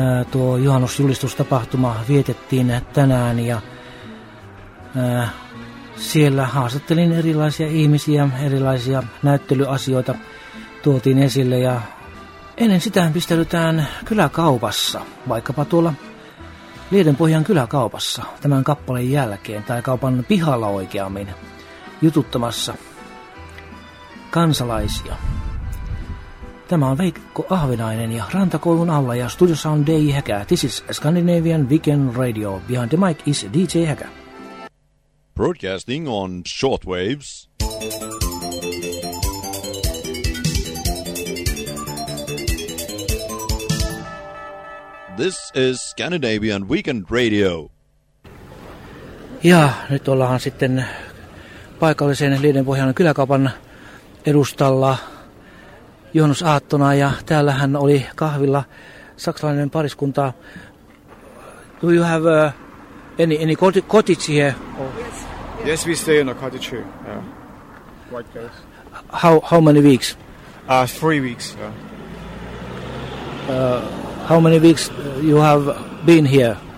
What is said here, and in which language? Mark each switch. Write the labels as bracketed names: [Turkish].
[Finnish] Tuo juhannusjulistustapahtuma vietettiin tänään ja siellä haastattelin erilaisia ihmisiä, erilaisia näyttelyasioita tuotiin esille ja ennen sitä pistäydytään kyläkaupassa, vaikkapa tuolla Liedenpohjan kyläkaupassa tämän kappaleen jälkeen, tai kaupan pihalla oikeammin, jututtamassa kansalaisia. Tämä on Veikko Ahvenainen ja Rantakoulun alla ja studiossa on DJ Häkä. [English] This is Scandinavian Weekend Radio. Behind the mic is DJ Häkä. Broadcasting on shortwaves. This is Scandinavian Weekend Radio. [Finnish] Ja nyt ollaan sitten paikallisen Liedenpohjan kyläkaupan edustalla Juhannus Aattona. Ja täällähän oli kahvilla saksalainen pariskunta. [English] Do you have any cottage here? Oh. Yes, we stay in a cottage here. White girls. How many weeks? 3 weeks. How many weeks you have been here?